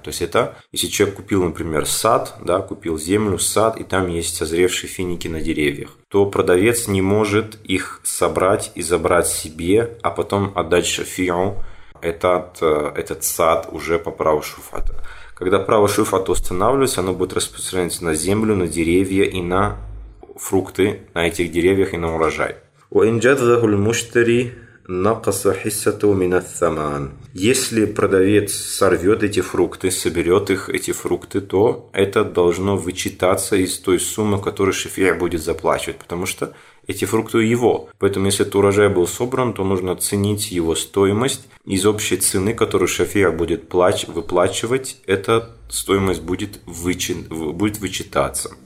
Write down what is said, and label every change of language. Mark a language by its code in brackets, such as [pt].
[ru] То есть это, если человек купил, например, сад, да, купил землю, сад, и там есть созревшие финики на деревьях, то продавец не может их собрать и забрать себе, а потом отдать шафиру этот сад уже по праву шуфата. Когда право шуфата устанавливается, оно будет распространяться на землю, на деревья и на фрукты на этих деревьях и на урожай. [ar] وإن جذه المشتري نقص حصته من الثمن. [ru] Если продавец сорвет эти фрукты, соберет их, эти фрукты, то это должно вычитаться из той суммы, которую шафиа будет заплачивать, потому что эти фрукты его. Поэтому если этот урожай был собран, то нужно оценить его стоимость из общей цены, которую шафиа будет выплачивать, эта стоимость будет вычитаться.